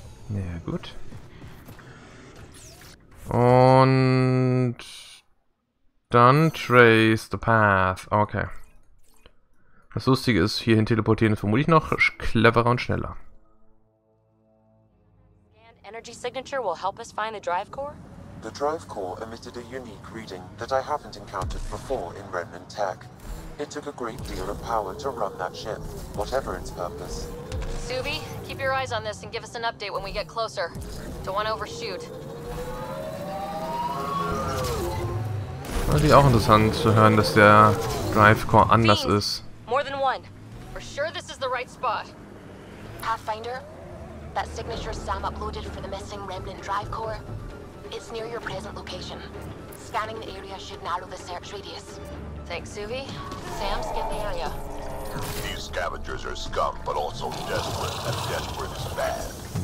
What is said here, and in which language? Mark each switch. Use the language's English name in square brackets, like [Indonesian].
[German] Ja, gut. Und dann [English] trace the path. Okay. [German] Das Lustige ist, hierhin teleportieren ist vermutlich noch cleverer und schneller. [English] And energy signature will help us find the drive core? The drive core emitted a unique reading that I haven't encountered before in Remnant Tech. It took a great deal of power to run that ship, whatever its purpose. Suvi, keep your eyes on this and give us an update when we get closer. Don't want to overshoot. [German] Also auch interessant zu hören, dass der Drive Core anders ist. [English] More than one. For sure this is the right spot. Pathfinder, that signature Sam uploaded for the missing Remnant Drive Core. It's near your present location. Scanning the area should narrow the search radius. Thanks, Suvi. Sam, scan the area. These scavengers are scum, but also desperate, and desperate is bad.